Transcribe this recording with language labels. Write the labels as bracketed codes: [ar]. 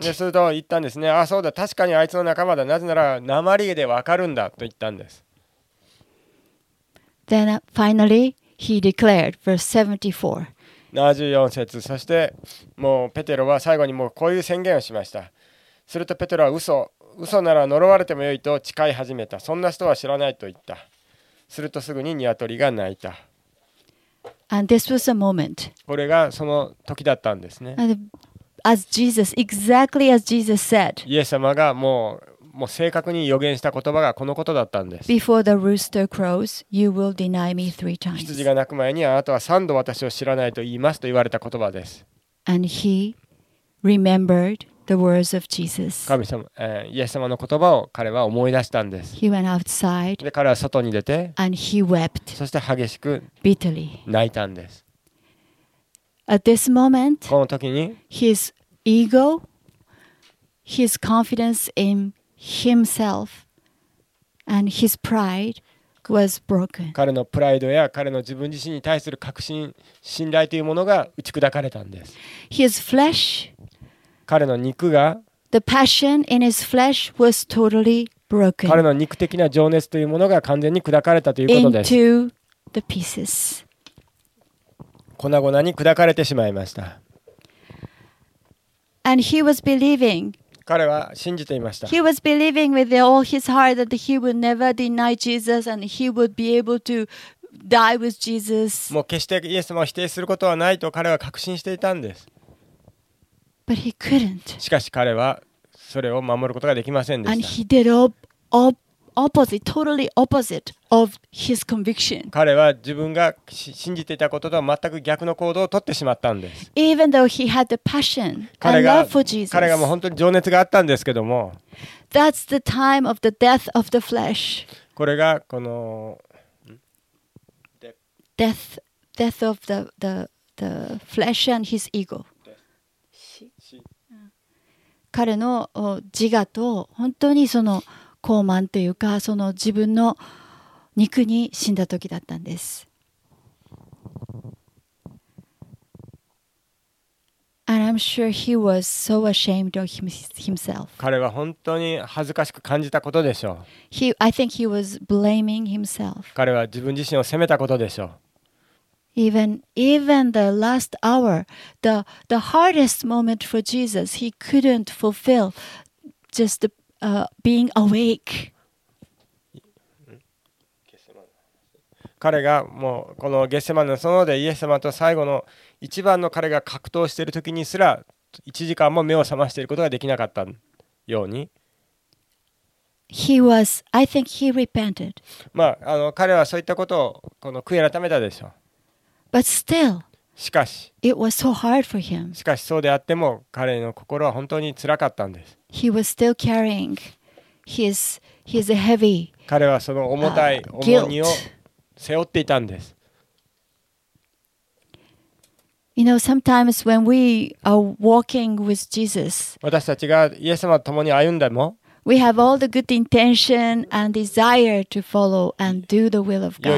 [ja] で、それと言ったんですね。あ、そうだ、確かにあいつの仲間だ。なぜなら、訛りでわかるんだと言ったんです。 [en] Then finally, he declared, verse 74. [ja] 74節、そしてもうペテロは最後にもうこういう宣言をしました。するとペテロは嘘なら呪われてもよいと誓い始めた。そんな人は知らないと言った。するとすぐに鶏が鳴いた。 [en] And this was a moment. [ja] これがその時だったんですね。 [en] And as Jesus, exactly as Jesus said. [ja] イエス様がもう正確に予言した言葉がこのことだったんです。 [en] Before the rooster crows, you will deny me three times. [ja] 羊が鳴く前にあなたは三度私を知らないと言いますと言われた言葉です。 [en] And he remembered the words of Jesus. [ja] 神様、イエス様の言葉を彼は思い出したんです。 [en] He went outside. [ja] で、彼は外に出て、 [en] and he wept. [ja] そして激しく、 [en] bitterly. [ja] 泣いたんです。 [en] At this moment, [ja] この時に、 [en] his ego, his confidence in himself, and his pride was broken. [ja] 彼のプライドや彼の自分自身に対する確信、信頼というものが打ち砕かれたんです。 [en] His flesh. [ja] 彼の肉が、 [en] The passion in his flesh was totally broken. [ja] 彼の肉的な情熱というものが完全に砕かれたということです。 [en] Into the pieces. [ja] 粉々に砕かれてしまいました。 [en] And he was believing. [ja] 彼は信じていました。 [en] He was believing with all his heart that he would never deny Jesus and he would be able to die with Jesus. [ja] もう決してイエス様を否定することはないと彼は確信していたんです。 [en] But he couldn't. [ja] しかし彼はそれを守ることができませんでした。 [en] And he did opposite, totally opposite of his conviction. [ja] 彼は自分が信じていたこととは全く逆の行動を取ってしまったんです。 [en] Even though he had the passion and love for Jesus. [ja] 彼がもう本当に情熱があったんですけども。 [en] That's the time of the death of the flesh. [ja] これがこの [en] death of the flesh and his ego. [ja] 彼の自我と本当にその高慢というかその自分の肉に死んだ時だったんです。 [en] And I'm sure he was so ashamed of himself. [ja] 彼は本当に恥ずかしく感じたことでしょう。 [en] I think he was blaming himself. [ja] 彼は自分自身を責めたことでしょう。 [en] Even the last hour, the hardest moment for Jesus, he couldn't fulfill just being awake. [ja] 彼がもうこのゲッセマネの園でイエス様と最後の一番の彼が格闘している時にすら1時間も目を覚ましていることができなかったように。 [en] He was, I think he repented. [ja] まあ、彔はそういったことをこの悔い改めたでしょう。 [en] But still, [ja] しかし、 [en] it was so hard for him. [ja] しかしそうであっても彼の心は本当に辛かったんです。 [en] He was still carrying his heavy. [ja] 彼はその重たい重荷を背負っていたんです。 [en] You know, sometimes when we are walking with Jesus, [ja] 私たちがイエス様と共に歩んでも、 [en] We have all the good intention and desire to follow and do the will of God.